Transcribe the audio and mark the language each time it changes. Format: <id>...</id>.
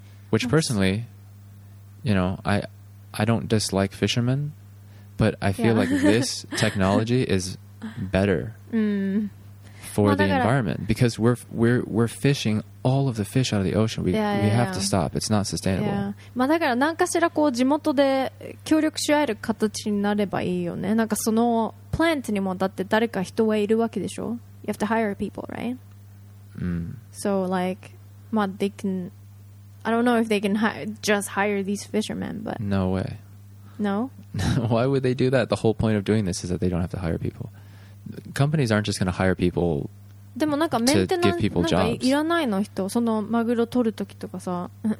<en>Which personally, you know, I don't dislike fishermen, but I feel like this technology is better for the environment because we're fishing all of the fish out of the ocean. We have to stop. It's not sustainable.</en> <ja>まあだから何かしらこう地元で協力し合える形になればいいよね。なんかそのプラントにもだって誰か人はいるわけでしょ。</ja> <en>You have to hire people, right? So like, まあ they can, I don't know if they can just hire these fishermen, but no way. No. Why would they do that? The whole point of doing this is that they don't have to hire people. Companies aren't just going to hire people to give people jobs.</en> <ja>でもなんかメンテナンスなんかいらないの人、そのマグロ取るときとかさ。</ja>